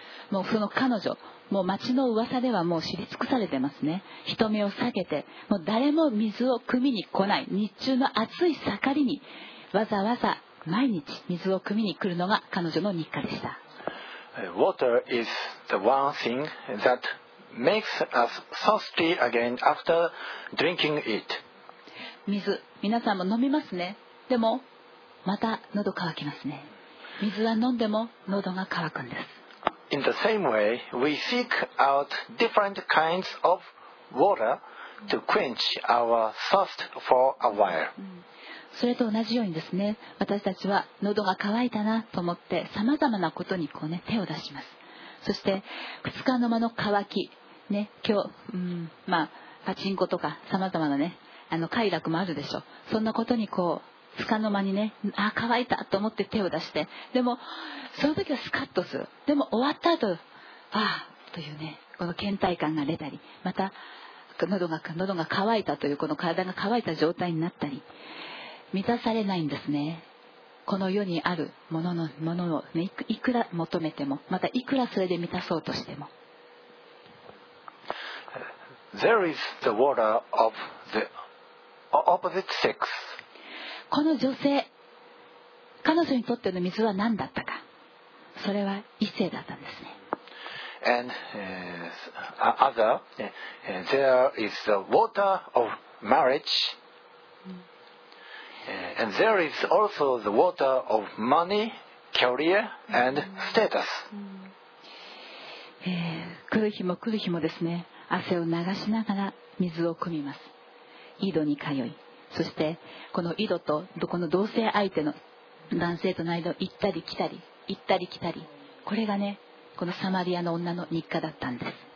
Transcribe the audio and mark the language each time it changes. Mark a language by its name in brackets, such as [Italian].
[Japanese] もうその彼女、もう町の噂ではもう知り尽くされてますね。人目を避けて、もう誰も水を汲みに来ない、日中の暑い盛りにわざわざ毎日水を汲みに来るのが彼女の日課でした。 [English] Water is the one thing thatMakes us thirsty again after drinking it. [Japanese] 水、皆さんも飲みますね。でもまた喉乾きますね。水は飲んでも喉が乾くんです。 [English] In the same way, we seek out different kinds of water to quench our thirst for a while. [Japanese] それと同じようにですね、私たちは喉が乾いたなと思ってさまざまなことにこうね手を出します。そして二日の間の乾き。ね、今日、まあ、パチンコとかさまざまな、ね、あの快楽もあるでしょう。そんなことにこう束の間にね、あ、乾いたと思って手を出して、でもその時はスカッとする、でも終わった後、ああというね、この倦怠感が出たり、また喉が乾いたというこの体が乾いた状態になったり、満たされないんですね。この世にあるものを、ね、いくら求めても、またいくらそれで満たそうとしても、 [English] There is the water of the opposite sex. [Japanese] この女性、彼女にとっての水は何だったか。それは異性だったんですね。 [English] And other, there is the water of marriage. And there is also the water of money, career, and status. [Japanese] 来る日も来る日もですね、汗を流しながら水を汲みます。井戸に通い、そしてこの井戸とこの同性相手の男性との間を行ったり来たり行ったり来たり、これがね、このサマリアの女の日課だったんです。